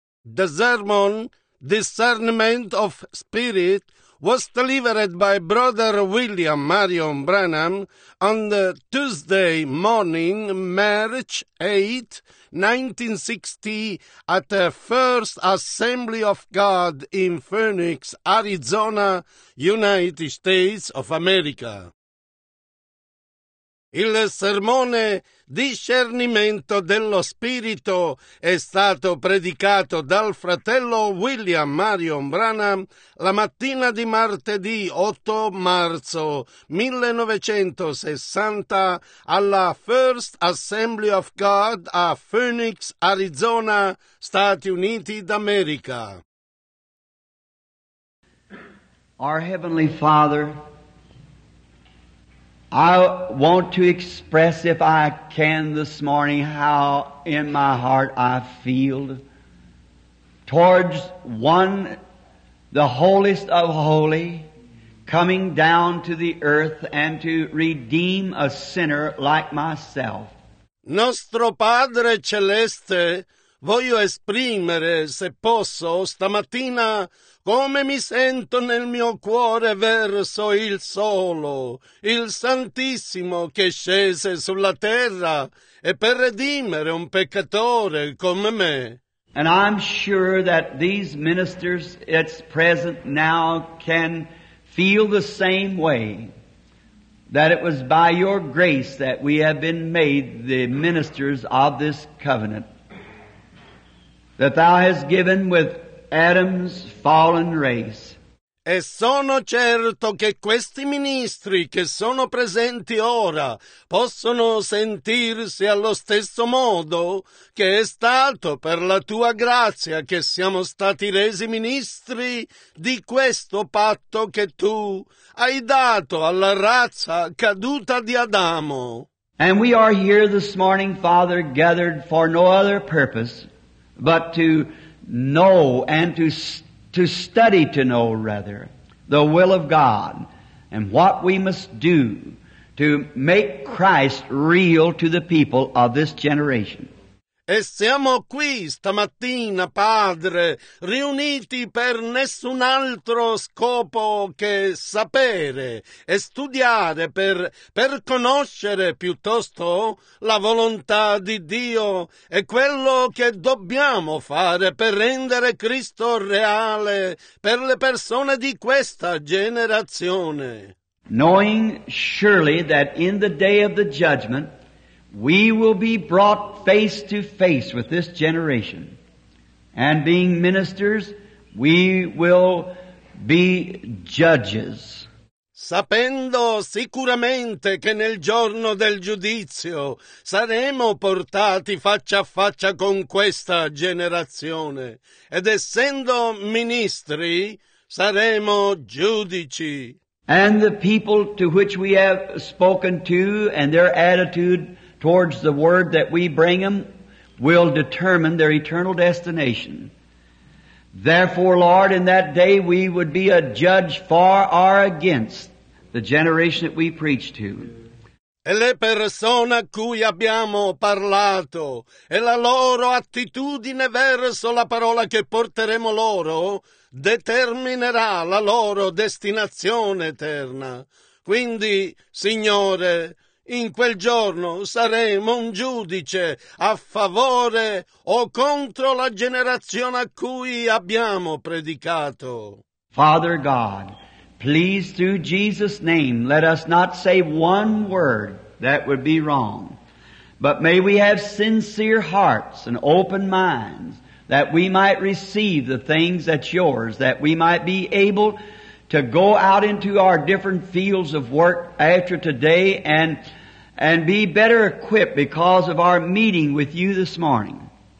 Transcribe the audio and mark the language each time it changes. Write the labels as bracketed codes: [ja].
[en] The sermon, Discernment of Spirit, was delivered by Brother William Marion Branham on the Tuesday morning, March 8, 1960, at the First Assembly of God in Phoenix, Arizona, United States of America. [it] Il sermone Discernimento dello Spirito è stato predicato dal fratello William Marion Branham la mattina di martedì 8 marzo 1960 alla First Assembly of God a Phoenix, Arizona, Stati Uniti d'America. [en] Our Heavenly Father, I want to express, if I can this morning, how in my heart I feel towards one, the holiest of holy, coming down to the earth and to redeem a sinner like myself. [it] Nostro Padre Celeste, voglio esprimere, se posso, stamattina come mi sento nel mio cuore verso il solo, il Santissimo che scese sulla terra e per redimere un peccatore come me. [en] And I'm sure that these ministers that's present now can feel the same way, that it was by your grace that we have been made the ministers of this covenant, that thou hast given with Adam's fallen race. [it] E sono certo che questi ministri che sono presenti ora possono sentirsi allo stesso modo che è stato per la tua grazia che siamo stati resi ministri di questo patto che tu hai dato alla razza caduta di Adamo. [en] And we are here this morning, Father, gathered for no other purpose but to know and to study to know, rather, the will of God and what we must do to make Christ real to the people of this generation. [it] E siamo qui stamattina, Padre, riuniti per nessun altro scopo che sapere e studiare per conoscere piuttosto la volontà di Dio e quello che dobbiamo fare per rendere Cristo reale per le persone di questa generazione. [en] Knowing surely that in the day of the judgment we will be brought face to face with this generation, and being ministers, we will be judges. [it] Sapendo sicuramente che nel giorno del giudizio saremo portati faccia a faccia con questa generazione, ed essendo ministri, saremo giudici. [en] And the people to which we have spoken to and their attitude towards the word that we bring them will determine their eternal destination. Therefore, Lord, in that day we would be a judge for or against the generation that we preach to. [it] E le persone a cui abbiamo parlato e la loro attitudine verso la parola che porteremo loro determinerà la loro destinazione eterna. Quindi, Signore, in quel giorno saremo un giudice a favore o contro la generazione a cui abbiamo predicato. [en] Father God, please through Jesus' name let us not say one word that would be wrong, but may we have sincere hearts and open minds that we might receive the things that's yours, that we might be able to go out into our different fields of work after today and be better equipped because of our meeting with you this morning.